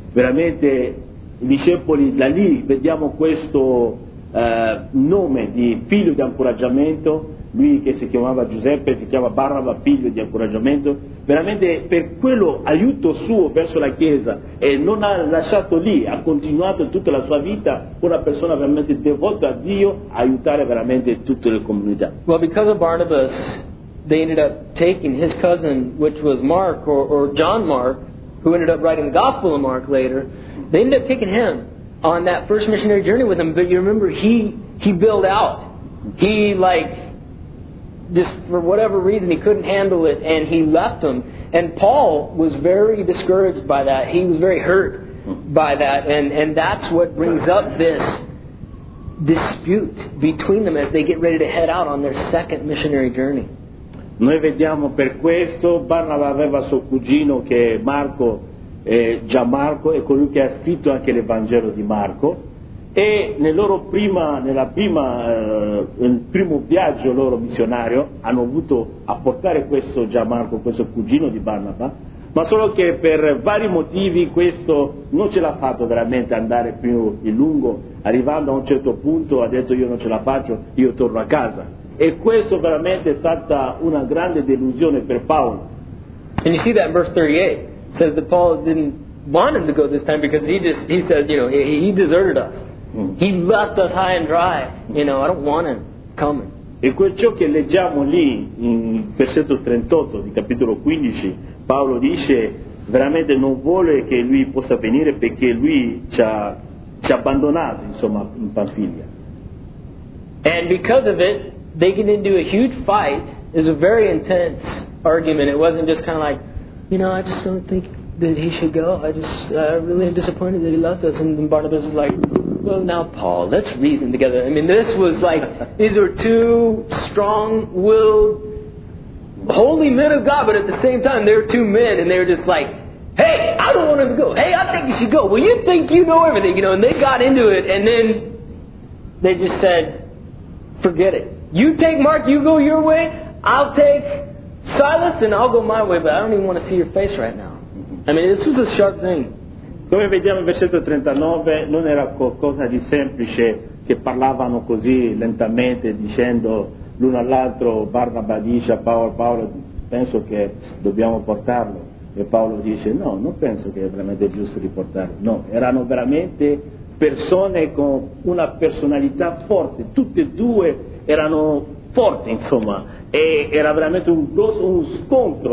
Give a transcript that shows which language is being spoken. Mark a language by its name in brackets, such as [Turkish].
[Italian] Veramente i discepoli, da lì vediamo questo nome di figlio di incoraggiamento. Lui che si chiamava Giuseppe, si chiama Barnaba, figlio di incoraggiamento, veramente per quello aiuto suo verso la Chiesa, e non ha lasciato lì, ha continuato tutta la sua vita una persona veramente devota a Dio, aiutare veramente tutte le comunità. [English] Well, because of Barnabas, they ended up taking his cousin, which was Mark, or John Mark, who ended up writing the Gospel of Mark later, they ended up taking him on that first missionary journey with him, but you remember he bailed out. he like just for whatever reason he couldn't handle it and he left them. And Paul was very discouraged by that. He was very hurt by that. And that's what brings up this dispute between them as they get ready to head out on their second missionary journey. [Italian] Noi vediamo per questo, Barnaba aveva suo cugino che è Marco, Gianmarco, è colui che ha scritto anche l'Evangelo di Marco, e nel primo viaggio loro missionario hanno avuto a portare questo Gianmarco, questo cugino di Barnaba, ma solo che per vari motivi questo non ce l'ha fatto veramente andare più in lungo, arrivando a un certo punto ha detto io non ce la faccio, io torno a casa. E questo veramente è stata una grande delusione per Paolo. [English] And you see that in verse 38 says that Paul didn't want him to go this time because he deserted us. He left us high and dry. You know, I don't want him coming. [Italian] E quel ciò che leggiamo lì in versetto 38 di capitolo 15, Paolo dice veramente non vuole che lui possa venire perché lui ci ha abbandonato, insomma, in Pamfilia. [English] And because of it, they get into a huge fight. It was a very intense argument. It wasn't just kind of like, you know, I just don't think that he should go. I really am disappointed that he left us. And Barnabas is like, well, now Paul, let's reason together. I mean, this was like, these are two strong-willed, holy men of God, but at the same time, they're two men, and they're just like, hey, I don't want him to go. Hey, I think he should go. Well, you think you know everything, you know? And they got into it, and then they just said, forget it. You take Mark, you go your way, I'll take Silas and I'll go my way, but I don't even want to see your face right now. I mean, this was a sharp thing. [Italian] Come vediamo in versetto 39, non era qualcosa di semplice che parlavano così lentamente dicendo l'uno all'altro, Barnaba dice a Paolo, Paolo, penso che dobbiamo portarlo. E Paolo dice, no, non penso che è veramente giusto riportarlo. No, erano veramente persone con una personalità forte, tutte e due erano forti, insomma, e era veramente un scontro.